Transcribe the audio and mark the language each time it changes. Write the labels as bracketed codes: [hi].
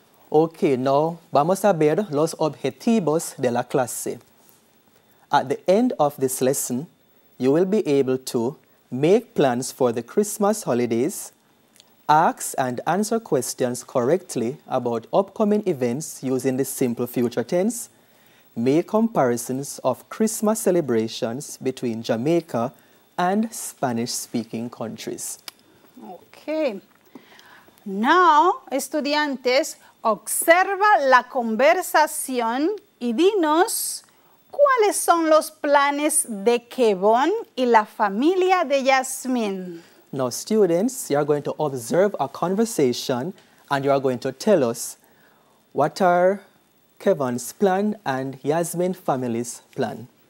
[es] Ok, now vamos a ver los objetivos de la clase. [en] At the end of this lesson, you will be able to make plans for the Christmas holidays, ask and answer questions correctly about upcoming events using the simple future tense, make comparisons of Christmas celebrations between Jamaica and Spanish-speaking countries. Okay. [es] Now, estudiantes, observa la conversación y dinos cuáles son los planes de Kevon y la familia de Yasmín. [en] Now, students, you are going to observe a conversation and you are going to tell us what are Kevon's plan and Yasmín family's plan.